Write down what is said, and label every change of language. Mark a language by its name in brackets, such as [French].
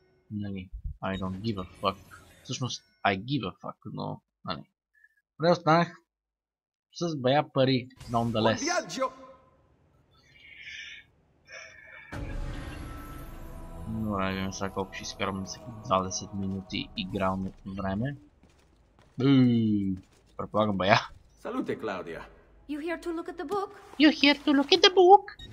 [Bulgarian] Нали, [English] I don't give a fuck. [Bulgarian] Всъщност, [English] I give a fuck, [Bulgarian] но, нали. Но не останах. С бая пари, [English] nonetheless. [Bulgarian] Добре, видим сега колко ще изкарам на всеки 20 минути игрално време. Предполагам бая. Салуте, Клаудия. [English] You here to look at the book? You here to look at the book?